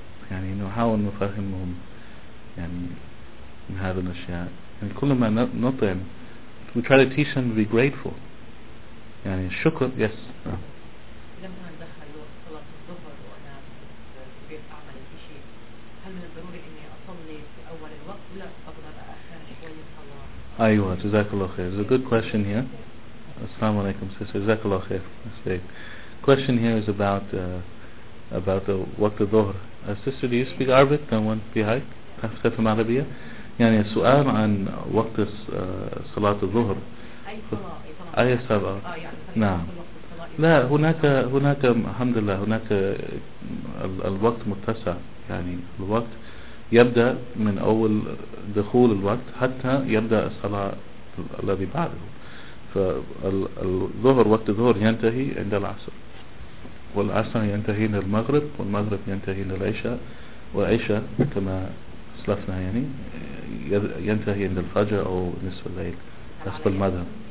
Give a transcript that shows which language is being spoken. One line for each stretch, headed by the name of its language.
Arabic: يعني نحاول نفهمهم يعني من هذه الأشياء. يعني كل ما نطعم
English: we try to teach them to be grateful.
Arabic: يعني شكر. Yes. لما ندخل صلاة الظهر وأنا أعمل في شيء، هل من الضروري أني أصلي في أول الوقت ولا أقدر أخر شوية صلاة؟ أيوة، جزاك الله خير.
English: It's a good question here.
Arabic: السلام عليكم سيسر، جزاك الله خير.
English: Question here is about the
Arabic: وقت الظهر.
English: Sister, do you speak Arabic? No one behind? Have you from Arabia?
Arabic: Yani,
English: a question on
Arabic: وقت الصلاة الظهر. أي صلاة؟ أي صلاة؟ نعم. لا هناك الحمد لله هناك الوقت متسع. يعني الوقت يبدأ من أول دخول الوقت حتى يبدأ الصلاة الذي بعده. فالظهر وقت الظهر ينتهي عند العصر. والعصر ينتهي إلى المغرب والمغرب ينتهي إلى العشاء والعشاء كما سلفنا يعني ينتهي عند الفجر أو نصف الليل حسب المذهب.